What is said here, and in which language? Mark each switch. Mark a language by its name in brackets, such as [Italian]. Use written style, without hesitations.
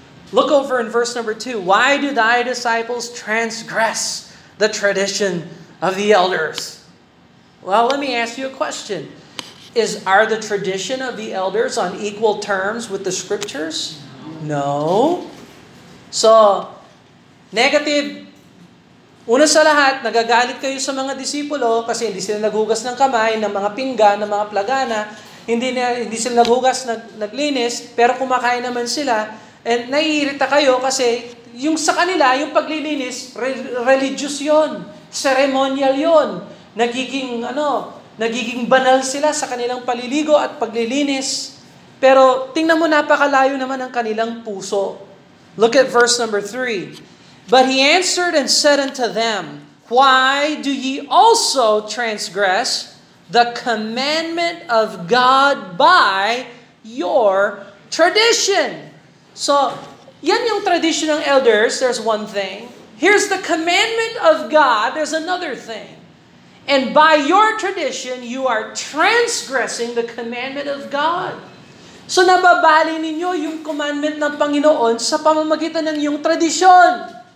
[English] Look over in verse number 2. Why do thy disciples transgress the tradition of the elders? Well, let me ask you a question. Are the tradition of the elders on equal terms with the Scriptures? No. So, negative. [Filipino] Una sa lahat, nagagalit kayo sa mga disipulo kasi hindi sila naghugas ng kamay, ng mga pinggan, ng mga plagana. Hindi sila naghugas, naglinis, pero kumakain naman sila. And naiirita kayo kasi yung sa kanila, yung paglilinis, religious yon, ceremonial yon, nagiging banal sila sa kanilang paliligo at paglilinis. Pero tingnan mo, napakalayo naman ang kanilang puso. [English] Look at verse number 3. But he answered and said unto them, why do ye also transgress the commandment of God by your tradition? So, [Filipino] yan yung [English] tradition ng elders, there's one thing. Here's the commandment of God, there's another thing. And by your tradition, you are transgressing the commandment of God. [Filipino] So nababali ninyo yung commandment ng Panginoon sa pamamagitan ng yung tradisyon.